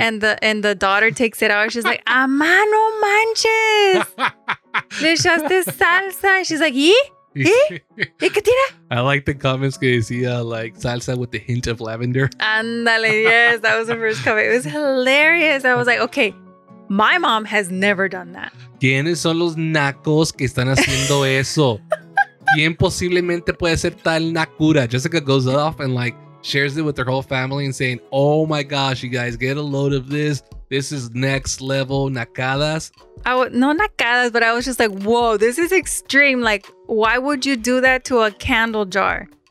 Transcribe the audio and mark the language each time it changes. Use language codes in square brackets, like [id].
[en] And the daughter takes it out. She's like, ¡Amá, no manches! [es] ¡Le echaste salsa! And she's like, ¿y? ¿Eh? ¿Qué tira? [en] I like the comments que decía, like, salsa with the hint of lavender. Andale, yes, that was the first comment. It was hilarious. I was like, okay, my mom has never done that. [es] ¿Quiénes son los nacos que están haciendo eso? ¿Quién posiblemente puede ser tal nakura? [en] Jessica goes off and, like, shares it with her whole family and saying, oh my gosh, you guys, get a load of this. This is next level nakadas. I was just like, whoa, this is extreme. Like, why would you do that to a candle jar?